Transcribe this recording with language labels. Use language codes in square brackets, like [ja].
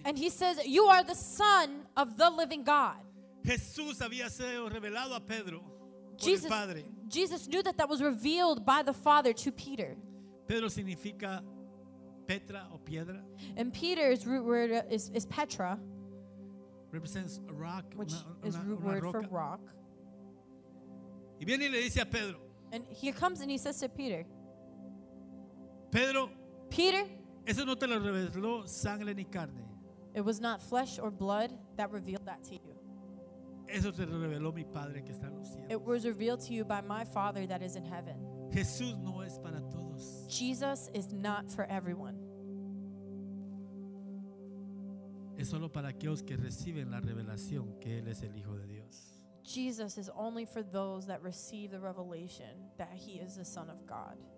[en] And he says, you are the son of the living God. [es] Jesús había sido revelado a Pedro por el Padre. [en] Jesus knew that that was revealed by the Father to Peter. [es] Pedro significa Petra o piedra. [en] And Peter's root word is Petra. Represents a rock. Which [es] una [en] is root word [es] roca. [en] For rock. [es] Y viene y le dice a Pedro. [en] And he comes and he says to Peter. [es] Pedro. [en] Peter. [es] Eso no te lo reveló sangre ni carne. [en] It was not flesh or blood that revealed that to you. [es] Eso te lo reveló mi Padre que está en los cielos. [en] It was revealed to you by my Father that is in heaven. [es] Jesús no es para todos. [en] Jesus is not for everyone. [es] Es solo para aquellos que reciben la revelación que Él es el Hijo de Dios. [en] Jesus is only for those that receive the revelation that He is the Son of God.